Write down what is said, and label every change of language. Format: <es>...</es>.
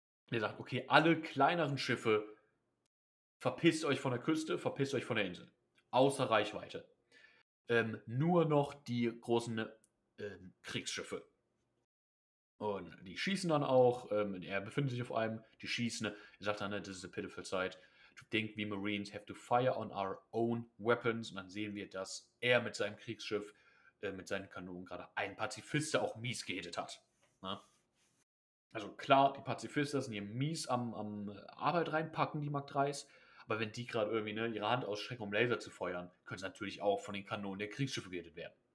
<de>Der sagt, okay, alle kleineren Schiffe, verpisst euch von der Küste, verpisst euch von der Insel. Außer Reichweite. Nur noch die großen Kriegsschiffe. Und die schießen dann auch, er befindet sich auf einem, die schießen. Er sagt dann, this is a pitiful sight.</de> <en>To think we Marines have to fire on our own weapons.</en> <de>Und dann sehen wir, dass er mit seinem Kriegsschiff mit seinen Kanonen gerade ein Pazifister auch mies gehittet hat. Ne? Also klar, die Pazifister sind hier mies am Arbeit reinpacken, die Mark 3s, Aber wenn die gerade irgendwie, ne, ihre Hand ausstrecken, um Laser zu feuern, können sie natürlich auch von den Kanonen der Kriegsschiffe gerettet werden.</de>